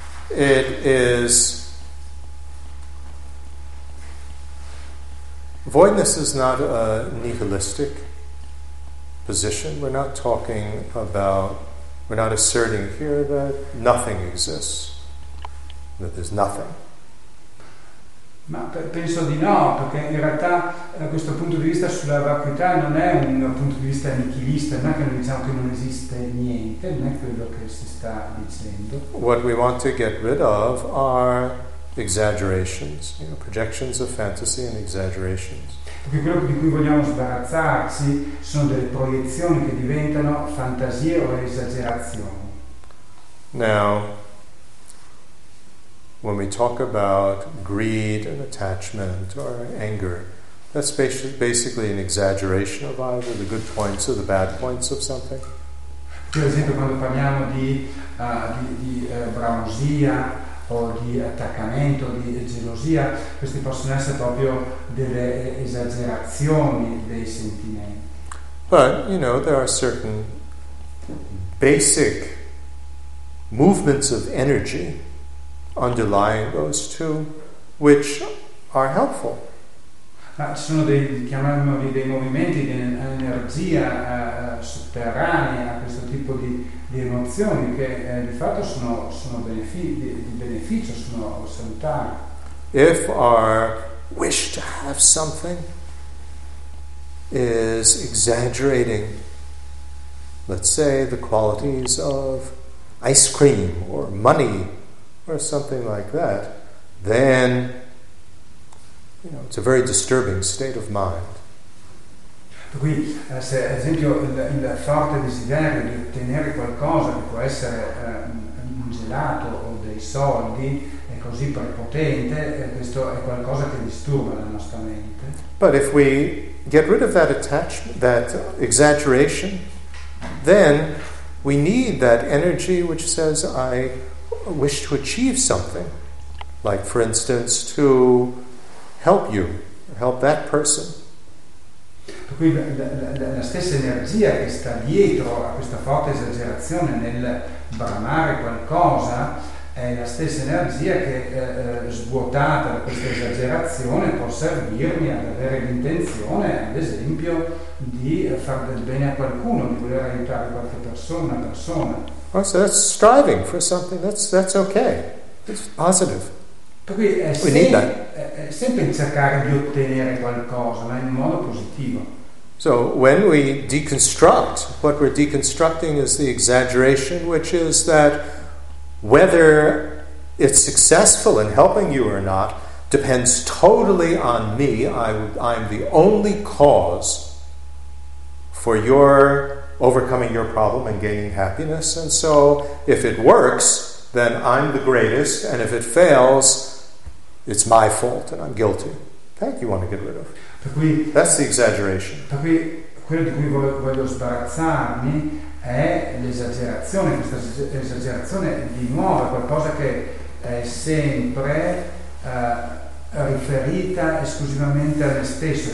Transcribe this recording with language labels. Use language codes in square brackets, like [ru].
[en] It is, voidness is not a nihilistic position. We're not talking about, we're not asserting here that nothing exists, that there's nothing. [it] Ma penso di no, perché in realtà questo punto di vista sulla vacuità non è un punto di vista nichilista, non è che non diciamo che non esiste niente, non è quello che si sta dicendo. [en] What we want to get rid of are exaggerations, you know, projections of fantasy and exaggerations. [it] Perché quello di cui vogliamo sbarazzarci sono delle proiezioni che diventano fantasie o esagerazioni. [en] Now, when we talk about greed and attachment or anger, that's basically an exaggeration of either the good points or the bad points of something. [it] Per esempio, quando parliamo di bramosia o di attaccamento, di gelosia, queste possono essere proprio delle esagerazioni dei sentimenti. [en] But, you know, there are certain basic movements of energy underlying those two, which are helpful. [it] Ci sono dei, chiamiamoli, dei movimenti di energia sotterranea a questo tipo di emozioni che di fatto sono di beneficio, sono salutari. [en] If our wish to have something is exaggerating, let's say, the qualities of ice cream or money or something like that, then, you know, it's a very disturbing state of mind. [it] Qui, se ad esempio il forte desiderio di ottenere qualcosa che può essere un gelato o dei soldi è così prepotente, questo è qualcosa che disturba la nostra mente. [en] But if we get rid of that attachment, that exaggeration, then we need that energy which says, I wish to achieve something, like for instance to help you, help that person. [it] Qui la stessa energia che sta dietro a questa forte esagerazione nel bramare qualcosa è la stessa energia che svuotata da questa esagerazione può servirmi ad avere l'intenzione, ad esempio, di far del bene a qualcuno, di voler aiutare qualche persona, [en] Well, so that's striving for something, that's okay, it's positive. [it] Per cui è sempre in cercare di ottenere qualcosa, ma in modo positivo. [en] So when we deconstruct, what we're deconstructing is the exaggeration, which is that whether it's successful in helping you or not depends totally on me. I'm the only cause for your overcoming your problem and gaining happiness. And so if it works, then I'm the greatest. And if it fails, it's my fault and I'm guilty. That you want to get rid of. [it] Per cui, [en] that's the exaggeration. [it] Per cui, quello di cui voglio sbarazzarmi è l'esagerazione. Questa esagerazione di nuovo è qualcosa che è sempre riferita esclusivamente a me stesso.